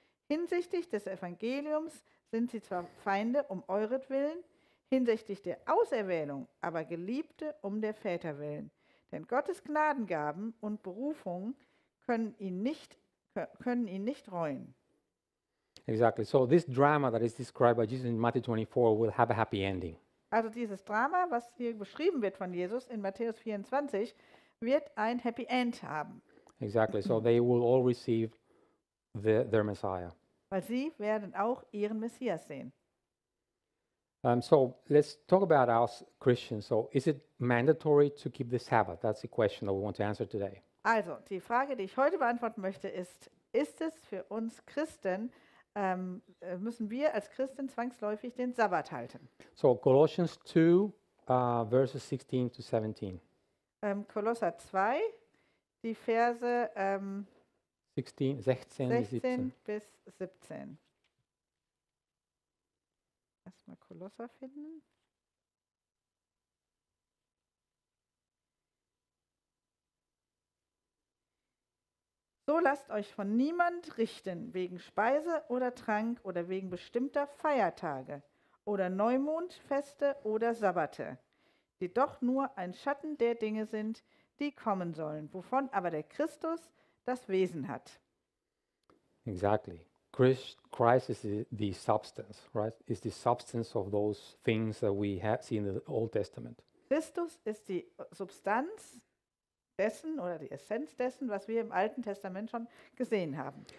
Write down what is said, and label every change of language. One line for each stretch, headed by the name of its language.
German: Hinsichtlich des Evangeliums sind sie zwar Feinde um euretwillen, hinsichtlich der Auserwählung, aber Geliebte um der Väter willen. Denn Gottes Gnadengaben und Berufungen können ihn nicht reuen.
English: Exactly. So this drama that is described by Jesus in Matthew 24 will have a happy ending.
German: Also dieses Drama, was hier beschrieben wird von Jesus in Matthäus 24, wird ein Happy End haben.
English: Exactly, so they will all receive their Messiah.
German: Weil sie werden auch ihren Messias sehen.
English: So let's talk about us Christians. So is it mandatory to keep the Sabbath? That's the question that we want to answer today.
German: Also die Frage, die ich heute beantworten möchte, ist es für uns Christen, müssen wir als Christen zwangsläufig den Sabbat halten?
English: So Colossians 2, verses 16 to 17.
German: Kolosser 2, die Verse 16 bis 17. Erstmal Kolosser finden. So lasst euch von niemand richten, wegen Speise oder Trank oder wegen bestimmter Feiertage oder Neumondfeste oder Sabbate, die doch nur ein Schatten der Dinge sind, die kommen sollen, wovon aber der Christus das Wesen hat.
English: Exactly. Christ is the substance, right? Is the substance of those things that we have seen in the Old Testament.
German: Christus ist die Substanz dessen oder die Essenz dessen, was wir im Alten Testament schon gesehen haben.